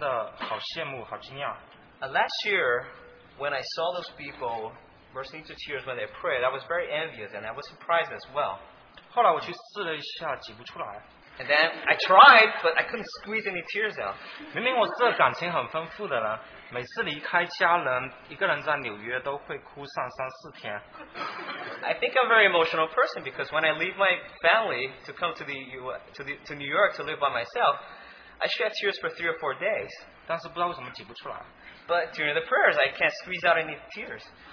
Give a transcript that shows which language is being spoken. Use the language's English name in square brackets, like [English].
[Chinese] 我记得去年第一次在特会的时候，看到那些人可以祷告到哭，我真的好羡慕，好惊讶。 [English] Last year, when I saw those people bursting into tears when they prayed, I was very envious and I was surprised as well. [Chinese] 后来我去试了一下，挤不出来。 [English] And then I tried, but I couldn't squeeze any tears out. [Chinese] 明明我这感情很丰富的人。每次离开家人，一个人在纽约都会哭上三四天。 [English] I think I'm a very emotional person because when I leave my family to come to New York to live by myself, I shed tears for 3 or 4 days. [Chinese] 但是不知道为什么挤不出来。 [English] But during the prayers, I can't squeeze out any tears.